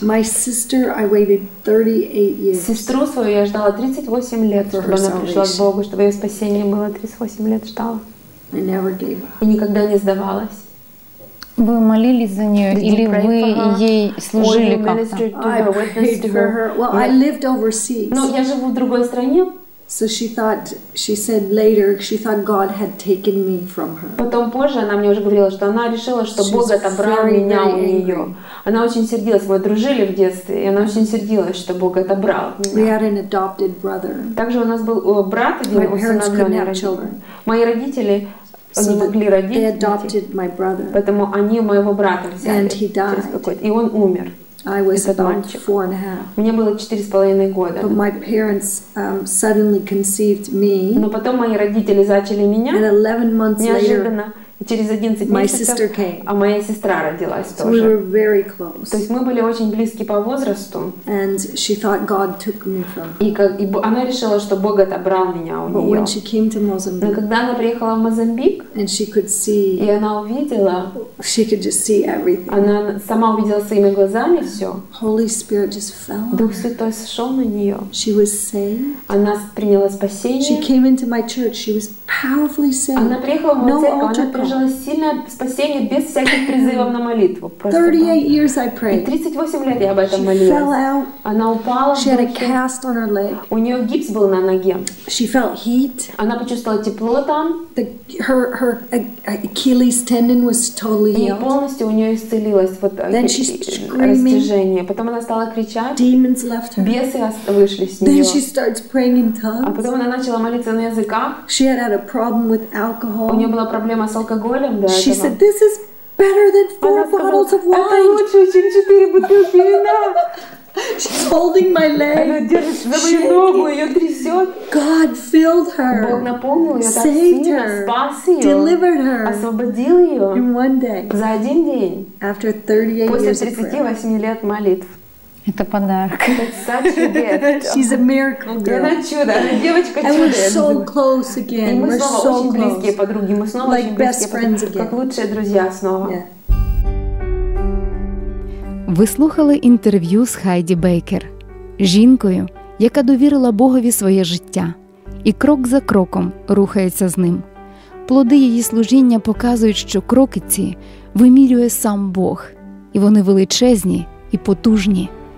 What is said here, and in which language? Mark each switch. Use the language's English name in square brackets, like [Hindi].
[English] My sister, I waited 38 years. [Russian] Сестру свою я ждала 38 лет, чтобы она пришла к Богу, чтобы ее спасение было. 38 лет ждала. [English] I never gave up. [Russian] И никогда не сдавалась. Вы молились за нее или вы ей служили как-то? [English] I prayed for her. Well, I lived overseas. [Russian] Но я живу в другой стране. [English] So she thought, she said later, she thought God had taken me from her. [Russian] Потом позже она мне уже говорила, что она решила, что Бог отобрал меня у нее. Она очень сердилась, мы дружили в детстве, и она очень сердилась, что Бог отобрал меня. [English] We had an adopted brother. [Russian] Также у нас был брат, один усыновленный. Мои родители не могли родить. [English] They adopted my brother. [Russian] Поэтому они моего брата взяли. И он умер. [English] I was about 4.5. [Russian] Мне было 4.5 года. [English] But my parents suddenly conceived me. [Russian] Но потом мои родители зачали меня. [English] And 11 months later, [Russian] неожиданно, через 11 [English] my [Russian] месяцев, [English] sister came. [Russian] А моя сестра родилась [English] so [Russian] тоже. [English] We were very close. [Russian] То есть мы были очень близки по возрасту. [English] And she thought God took me from. [Russian] И как, и она решила, что Бог отобрал меня у [English] But [Russian] нее. [English] When she came to Mozambique, [Russian] но когда она приехала в Мозамбик, [English] and she could see, [Russian] и она увидела, [English] she could just see everything. [Russian] Она сама увидела своими глазами все. [English] Holy Spirit just fell. [Russian] Дух Святой сошел на нее. [English] She was saved. Она приняла спасение. She came into my church. She was powerfully saved. [Russian] Она приехала в мою церковь. Жила сильное спасение без всяких призывов на молитву. Просто [English] 38 years I prayed. [Russian] И 38 лет я об этом [English] she [Russian] молилась. [English] Fell out. [Russian] Она упала. [English] She had a cast on her leg. [Russian] У нее гипс был на ноге. [English] She felt heat. [Russian] Она почувствовала тепло там. [English] The, her Achilles tendon was totally healed. [Russian] И полностью у нее исцелилось вот растяжение. Потом она стала кричать. [English] Demons left her. [Russian] Бесы вышли с нее. [English] Then she starts praying in tongues. [Russian] А потом она начала молиться на языках. [English] She had a problem with alcohol. [Russian] У нее была проблема с алкоголем, да, [English] she said, this is better than four bottles of wine. [Russian] Это лучше, чем четыре бутылки вина. [English] She's holding my leg. [Russian] Она держит за мою ногу, ее трясет. [English] God filled her. [Russian] Бог наполнил ее. [English] Saved her. [Russian] Спас ее. [English] Delivered her. [Russian] Освободил ее. [English] In one day. [Russian] За один день. [English] After 38 [Russian] после 38 лет молитв. Это подарок. [English] She's a miracle girl. [Russian] Она чудо, она девочка чудо. [English] And we're so close again. [Russian] И мы [English] we're [Russian] снова [English] so [Russian] очень близкие подруги. Мы снова [English] like [Russian] очень близкие подруги. [English] Again. [Russian] Как лучшие друзья снова. [English] Yeah. [Ukrainian] Ви слухали інтерв'ю з Хайді Бейкер, жінкою, яка довірила Богові своє життя і крок за кроком рухається з ним. Плоди її служіння показують, що кроки ці вимірює сам Бог, і вони величезні і потужні.